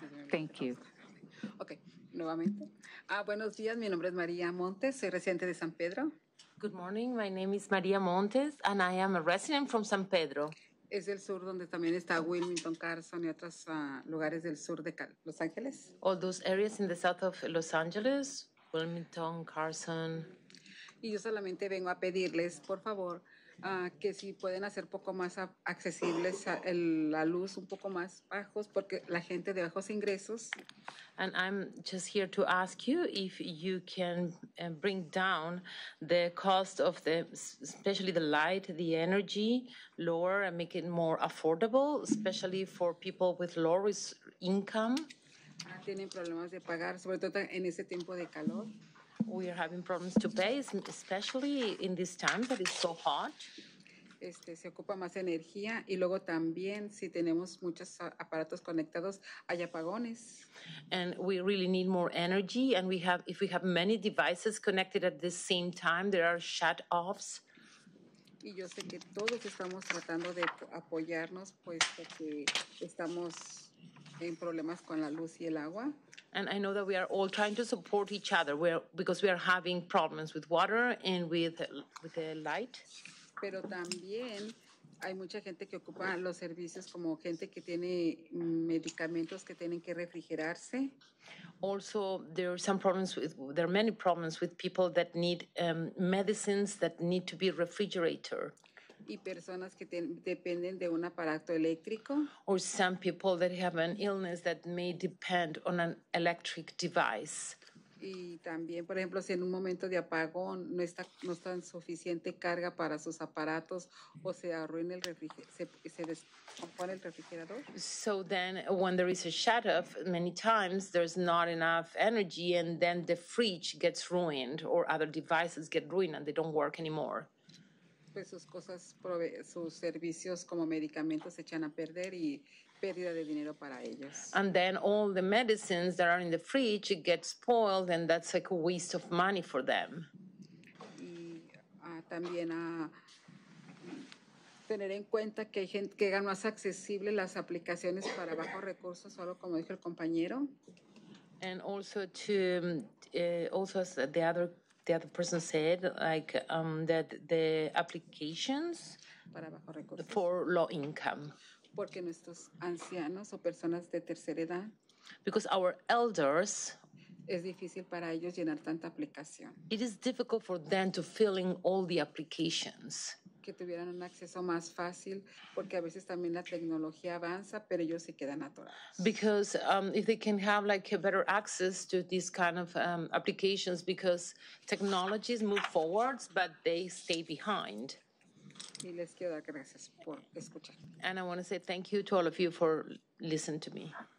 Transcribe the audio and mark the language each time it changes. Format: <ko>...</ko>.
<en>Thank you.</en> <es>Okay, nuevamente. Buenos días, mi nombre es María Montes, soy residente de San Pedro.</es> <en>Good morning, my name is María Montes and I am a resident from San Pedro.</en> <es>Es del sur donde también está Wilmington, Carson y otros lugares del sur de Los Ángeles.</es> <en>All those areas in the south of Los Angeles, Wilmington, Carson.</en> <es>Y yo solamente vengo a pedirles, por favor, que si pueden hacer poco más accesibles la luz un poco más bajos porque la gente de bajos ingresos.</es> <en>And I'm just here to ask you if you can bring down the cost of the, especially the light, the energy, lower and make it more affordable, especially for people with low income.</en> <es>Tienen problemas de pagar, sobre todo en ese tiempo de calor.</es> <en>We are having problems to pay, especially in this time that is so hot.</en> <es>Este, se ocupa más energía y luego también si tenemos muchos aparatos conectados hay apagones.</es> <en>And we really need more energy, and we have, if we have many devices connected at the same time, there are shut offs.</en> <es>Y yo sé que todos estamos tratando de apoyarnos, puesto que estamos en problemas con la luz y el agua.</es> <en>And I know that we are all trying to support each other, because we are having problems with water and with the light.</en> <es>Pero también hay mucha gente que ocupa los servicios como gente que tiene medicamentos que tienen que refrigerarse.</es> <en>Also, there are some problems with, there are many problems with people that need medicines that need to be refrigerated.</en> <es>Y personas que dependen de un aparato eléctrico.</es> <en>Or some people that have an illness that may depend on an electric device.</en> <es>Y también, por ejemplo, si en un momento de apagón no está, no está en suficiente carga para sus aparatos o se arruina el refrigerador, se descompone el refrigerador.</es> <en>So then when there is a shut off, many times there's not enough energy and then the fridge gets ruined or other devices get ruined and they don't work anymore.</en> <es>Pues sus cosas, sus servicios como medicamentos se echan a perder y pérdida de dinero para ellos.</es> <en>And then all the medicines that are in the fridge get spoiled, and that's like a waste of money for them.</en> <es>Y también a tener en cuenta que hay gente que hagan más accesible las aplicaciones para bajos recursos, solo como dijo el compañero.</es> <en>And also to also as the other. The other person said, like, that the applications</en> <es>para bajo recursos</es> <en>for low income.</en> <es>Porque nuestros ancianos o personas de tercera edad,</es> <en>because our elders,</en> <es>es difícil para ellos llenar tanta aplicación.</es> <en>It is difficult for them to fill in all the applications.</en> <es>Que tuvieran un acceso más fácil, porque a veces también la tecnología avanza, pero ellos se quedan atorados.</es> <en>Because if they can have like a better access to these kind of applications, because technologies move forwards, but they stay behind.</en> <es>Y les quiero dar gracias por escuchar.</es> <en>And I want to say thank you to all of you for listening to me.</en>